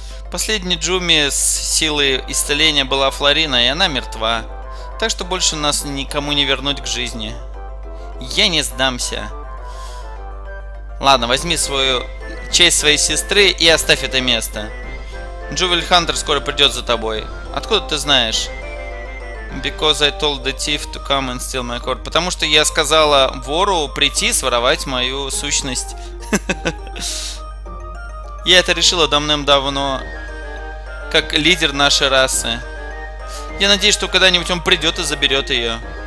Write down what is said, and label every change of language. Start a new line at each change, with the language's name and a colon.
Russian: Последний Джуми с силой исцеления была Флорина, и она мертва. Так что больше нас никому не вернуть к жизни. Я не сдамся. Ладно, возьми свою честь своей сестры и оставь это место. Jewel Hunter скоро придет за тобой. Откуда ты знаешь?
English: Because I told the thief to come and steal my core.
Russian: Потому что я сказала вору прийти своровать мою сущность. Я это решила давным-давно. Как лидер нашей расы. Я надеюсь, что когда-нибудь он придет и заберет ее.